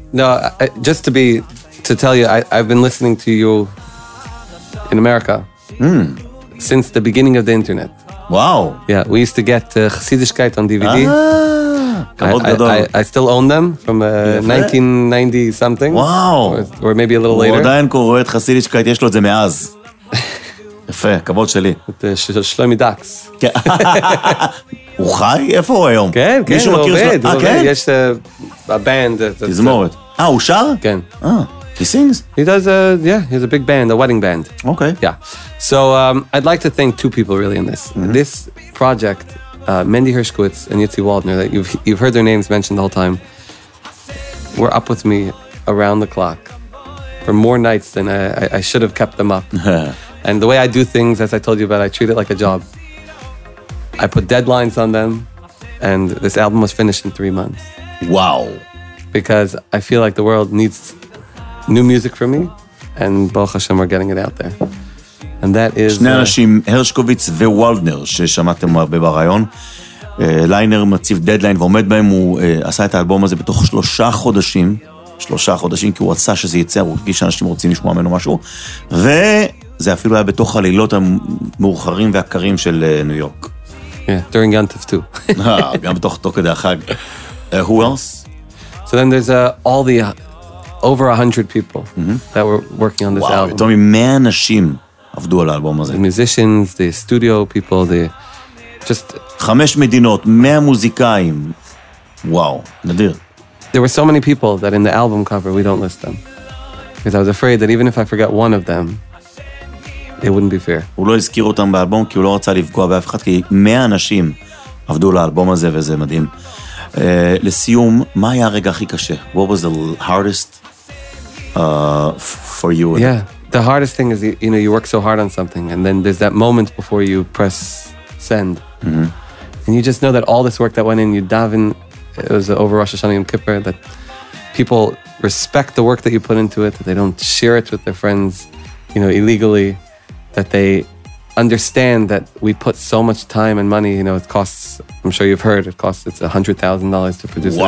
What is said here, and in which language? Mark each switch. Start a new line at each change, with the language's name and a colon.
English: No, just to be, to tell you, I've been listening to you in America since the beginning of the internet. Wow. Yeah, we used to get Chassidishkeit on DVD. I still own them from 1990 something. Wow. Or maybe a little later.
Hebrew: הוא עדיין קורא את חסידישקייט, יש לו את זה מאז. יפה, כבוד שלי. את שלומי דאקס. הוא חי? איפה הוא היום? כן, כן, הוא עובד. אה, כן? יש הבנד. תזמורת. אה, הוא שר? כן.
English: He sings? He does, yeah, he has a big band, a wedding band. Okay. Yeah. So I'd like to thank two people really in this. This project... Mandy Hershkowitz and Yitzi Waldner, that you've heard their names mentioned the whole time, were up with me around the clock for more nights than I should have kept them up. And the way I do things, as I told you about, I treat it like a job. I put deadlines on them, and this album was finished in 3 months. Wow. Because I feel like the world needs new music from me, and Baruch Hashem, we're getting it out there. And that is
Hebrew: שני אנשים, הרשקוביץ ווולדנר, ששמעתם הרבה ברעיון. ליינר מציב דדליין ועומד בהם, הוא עשה את האלבום הזה בתוך 3 חודשים, 3 חודשים, כי הוא רצה שזה יצא, הוא רגיש שאנשים רוצים לשמוע ממנו משהו, וזה אפילו היה בתוך הלילות המאוחרים והקרים של ניו יורק.
English: Yeah, during Yom Tov 2.
Hebrew: גם בתוך תוך כדי החג.
English: Who else? So then there's all the over 100 people that were working on this album.
Hebrew: וואו, יותר מ-100 אנשים. עבדו על האלבום הזה.
English: The musicians, the studio people, the... just...
Hebrew: 5 מדינות, 100 מוזיקאים. וואו, נדיר.
English: There were so many people that in the album cover we don't list them. Because I was afraid that even if I forget one of them, it wouldn't be fair.
Hebrew: הוא לא הזכיר אותם באלבום כי הוא לא רצה לפגוע באף אחד, כי 100 אנשים עבדו על האלבום הזה וזה מדהים. לסיום, מה היה הרגע הכי קשה?
English: What was the hardest for you? Yeah. The hardest thing is, you know, you work so hard on something and then there's that moment before you press send. And you just know that all this work that went in, you daven, it was over Rosh Hashanah Yom Kippur, that people respect the work that you put into it, that they don't share it with their friends, you know, illegally, that they understand that we put so much time and money, you know, it costs, I'm sure you've heard, it's $100,000 to produce.